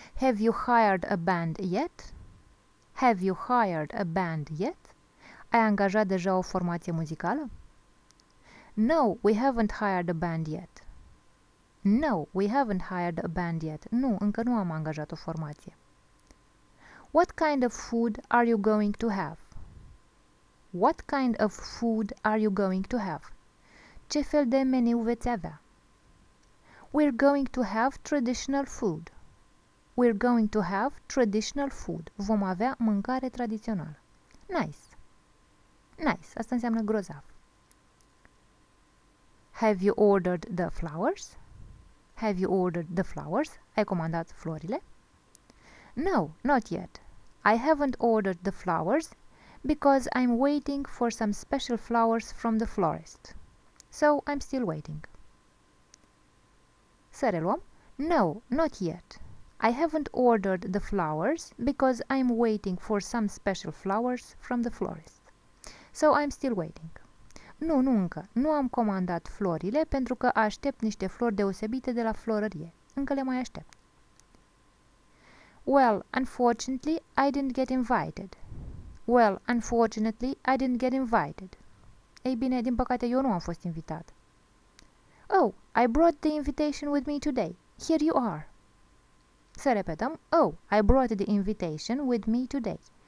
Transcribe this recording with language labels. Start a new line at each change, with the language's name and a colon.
English: have you hired a band yet? Have you hired a band yet?
Romanian: Ai angajat deja o formație muzicală?
English: No, we haven't hired a band yet. No, we haven't hired a band yet.
Romanian: Nu, încă nu am angajat o formație.
English: What kind of food are you going to have? What kind of food are you going to have?
Romanian: Ce fel de meniu veți avea?
English: We're going to have traditional food. We're going to have traditional food.
Romanian: Vom avea mâncare tradițională.
English: Nice.
Romanian: Nice. Asta înseamnă grozav.
English: Have you ordered the flowers? Have you ordered the flowers?
Romanian: Ai comandat florile?
English: No, not yet. I haven't ordered the flowers because I'm waiting for some special flowers from the florist. So I'm still waiting.
Romanian: Să reluăm?
English: No, not yet. I haven't ordered the flowers because I'm waiting for some special flowers from the florist. So I'm still waiting.
Romanian: Nu, nu încă. Nu am comandat florile pentru că aștept niște flori deosebite de la florărie. Încă le mai aștept.
English: Well, unfortunately, I didn't get invited. Well, unfortunately, I didn't get invited.
Romanian: Ei bine, din păcate, eu nu am fost invitat.
English: Oh, I brought the invitation with me today. Here you are.
Romanian: Să repetăm.
English: Oh, I brought the invitation with me today.